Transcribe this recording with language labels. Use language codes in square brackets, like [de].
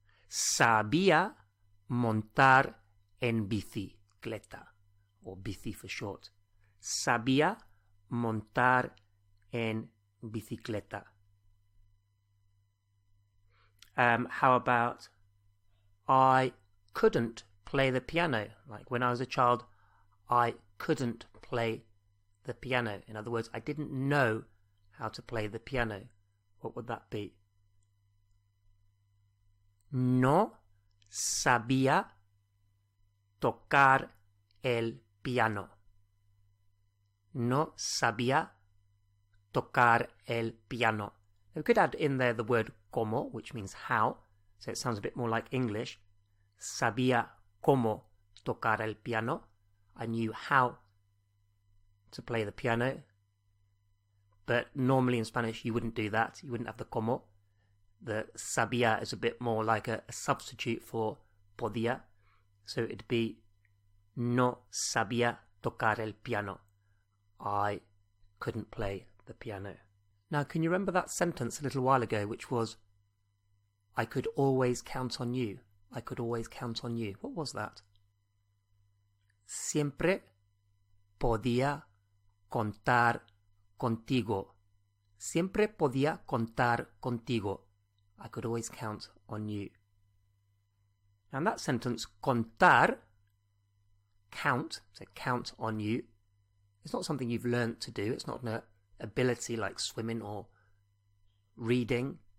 [es] Sabía montar en bicicleta, or bici for short. Sabía montar en bicicleta. [en] How about I couldn't play the piano? Like when I was a child, I couldn't play the piano. In other words, I didn't know how to play the piano. What would that be? [es] No sabía tocar el piano. No sabía tocar el piano. [en] We could add in there the word cómo, which means how, so it sounds a bit more like English. [es] Sabía cómo tocar el piano. [en] I knew how to play the piano. But normally in Spanish, you wouldn't do that. You wouldn't have the cómo. The sabía is a bit more like a substitute for podía. So it'd be [es] no sabía tocar el piano. [en] I couldn't play the piano. Now, can you remember that sentence a little while ago, which was, I could always count on you. I could always count on you. What was that? [es] Siempre podía contar contigo. Siempre podía contar contigo. [en] I could always count on you. And that sentence, contar, count, so count on you, it's not something you've learned to do. It's not an ability like swimming or reading.